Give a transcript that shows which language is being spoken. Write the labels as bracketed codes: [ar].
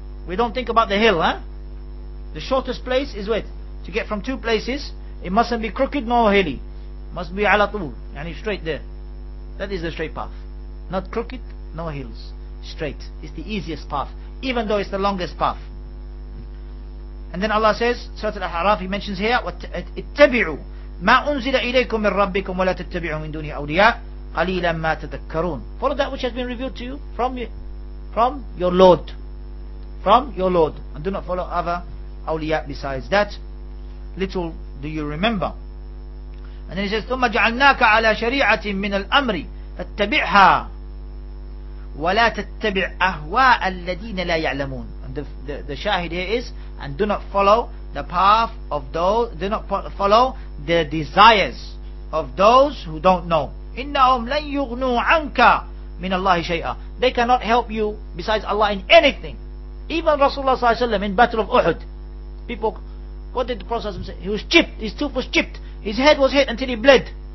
[en] We don't think about the hill, huh? The shortest place is what? To get from two places, it mustn't be crooked nor hilly. It must be ala tul, yani straight there. That is the straight path. Not crooked, no hills. Straight. It's the easiest path, even though it's the longest path. And then Allah says, Surah Al-Ahraf, he mentions here, [ar] اتبعوا ما أنزل إليكم من ربكم ولا تتبعوا من دونه أولياء قليلا ما تذكرون. [en] Follow that which has been revealed to you from your Lord, and do not follow other أولياء besides that. Little do you remember. And then he says, [ar] ثم جعلناك على شريعة من الأمر فاتبعها ولا تتبع أهواء الذين لا يعلمون. [en] And the shahid here is, and do not follow the path of those, do not follow the desires of those who don't know. [ar] إِنَّهُمْ لَنْ يُغْنُوا عَنْكَ مِنَ اللَّهِ شَيْئًا. [en] They cannot help you besides Allah in anything. Even Rasulullah sallallahu alayhi wa sallam in battle of Uhud, people, what did the Prophet sallallahu alayhi wa sallam say? He was chipped, his tooth was chipped, his head was hit until he bled.